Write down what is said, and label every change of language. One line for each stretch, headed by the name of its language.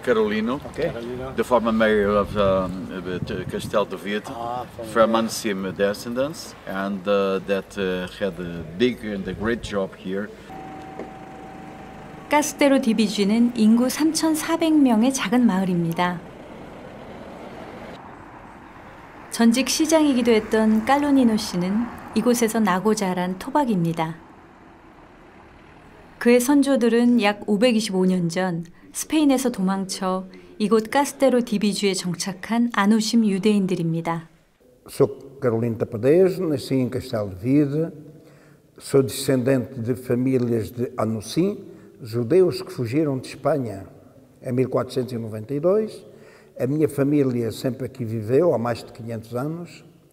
English: Carolino, the former mayor of Castel de Vieta, from Anzim descendants, and that had a big and a great job here.
Korean: 카스테로 디비지는 인구 3,400명의 작은 마을입니다. 전직 시장이기도 했던 칼로니노 씨는 이곳에서 나고 자란 토박입니다. 그의 선조들은 약 525년 전 스페인에서 도망쳐 이곳 카스테로 디비지에 정착한 아노심 유대인들입니다.
Portuguese: Sou Carolina Tapadez, nasci em Castelo de Vide. Sou descendente de famílias de Anusim, judeus que fugiram de Espanha em 1492. A minha família sempre aqui viveu, há mais de 500 anos.